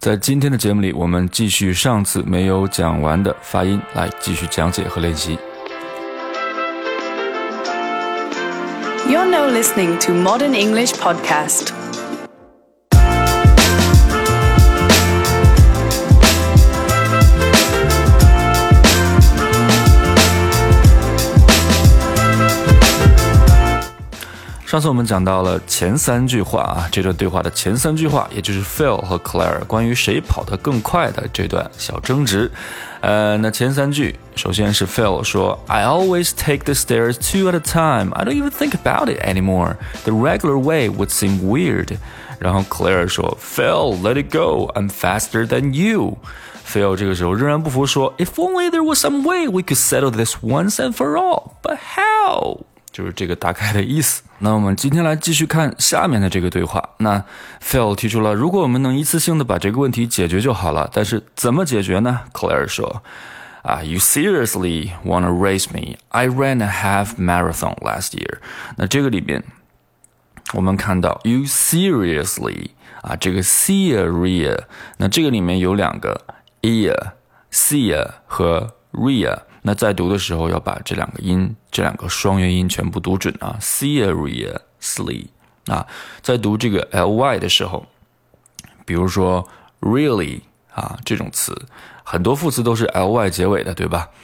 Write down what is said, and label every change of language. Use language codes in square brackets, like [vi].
[zh] 在今天的节目里，我们继续上次没有讲完的发音，来继续讲解和练习。 [en] You're now listening to Modern English Podcast. [zh] 上次我们讲到了前三句话啊，这段对话的前三句话，也就是 Phil 和 Claire 关于谁跑得更快的这段小争执。那前三句，首先是 Phil 说 [en] I always take the stairs two at a time. I don't even think about it anymore. The regular way would seem weird. [zh] 然后 [en] Claire [zh] 说 [en] Phil, let it go. I'm faster than you. Phil [zh] 这个时候仍然不服说 [en] If only there was some way we could settle this once and for all. But how? [zh] 就是这个大概的意思。那我们今天来继续看下面的这个对话。那 Phil 提出了，如果我们能一次性的把这个问题解决就好了，但是怎么解决呢？ [en] Claire [zh] 说、 [en] You seriously want to race me? I ran a half marathon last year. [zh] 那这个里面我们看到 [en] You seriously、 [zh] 这个 serious 那这个里面有两个 ear ser 和 rear，那在读的时候要把这两个音这两个双元音全部读准啊 seriously 啊，在读这个 ly 的时候，比如说 really 啊这种词，很多副词都是 ly 结尾的，对吧？